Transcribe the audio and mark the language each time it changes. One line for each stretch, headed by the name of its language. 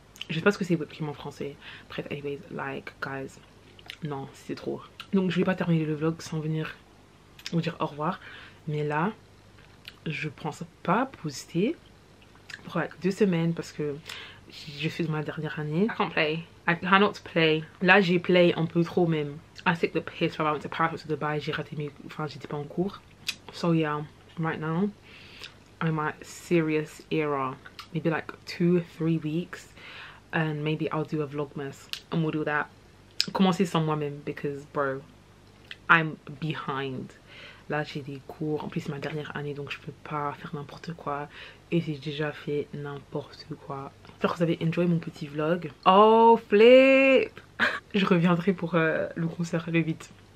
French: Je sais pas ce que c'est whipped cream en français. Bref,
English: anyways, like, guys.
French: Non, c'est trop. Donc, je vais pas terminer le vlog sans venir vous dire au revoir. Mais là, je pense pas poster pour like, 2 semaines parce que je suis dans ma dernière année.
English: I can't play. I cannot play.
French: Là, j'ai play un peu trop même.
English: I think the pace, probably went to Paris, went to Dubai.
French: J'ai raté mes. Enfin, j'étais pas en cours.
English: So, yeah, right now, I'm in my serious era. Maybe like 2-3 weeks. And maybe I'll do a vlogmas and we'll do that.
French: Commencer sans moi-même
English: because bro, I'm behind.
French: Là j'ai des cours, en plus c'est ma dernière année donc je peux pas faire n'importe quoi. Et j'ai déjà fait n'importe quoi. J'espère que vous avez enjoyed mon petit vlog.
English: Oh flip!
French: Je reviendrai pour le concert le 8.